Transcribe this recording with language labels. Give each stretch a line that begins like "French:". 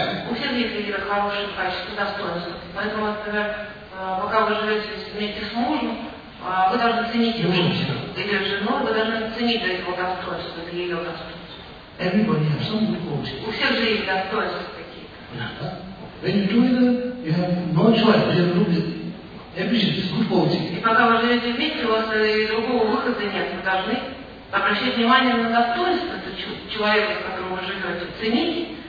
Russian: У всех есть какие-то хорошие качества, достоинства. Поэтому, например, пока вы живете вместе с мужем, вы должны ценить его. Или женой, вы должны ценить его достоинство, это ее достоинство. У всех же есть достоинства такие.
English: When you do it, you have no choice, you have to appreciate this good quality.
Russian: И пока вы живете вместе, у вас и другого выхода нет. Вы должны обращать внимание на достоинство человека, с которым вы живете, ценить.